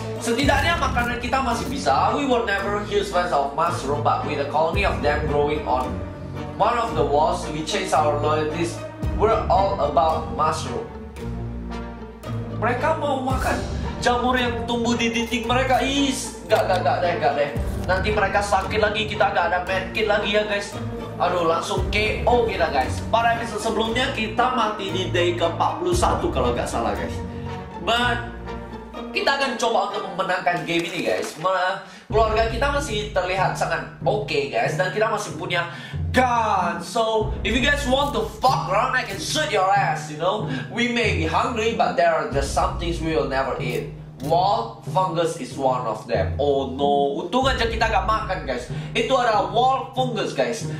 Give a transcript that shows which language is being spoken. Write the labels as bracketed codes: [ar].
[id] Setidaknya makanan kita masih bisa. [en] We were never huge fans of mushroom, but with a colony of them growing on one of the walls, we chase our loyalties. We're all about mushroom. [id] Mereka mau makan jamur yang tumbuh di dinding mereka. Is, gak deh. Nanti mereka sakit lagi, kita gak ada medkit lagi ya guys. Aduh, langsung KO kita guys. Pada episode sebelumnya kita mati di day ke-41 kalau gak salah guys. But kita akan coba untuk memenangkan game ini guys. Keluarga kita masih terlihat sangat okay guys, dan kita masih punya gun. [en] So if you guys want to fuck around, I can shoot your ass, you know. We may be hungry, but there are just some things we will never eat. Wall fungus is one of them. Oh no, [id] untung aja kita gak makan [en] guys. [id] Itu adalah wall fungus guys.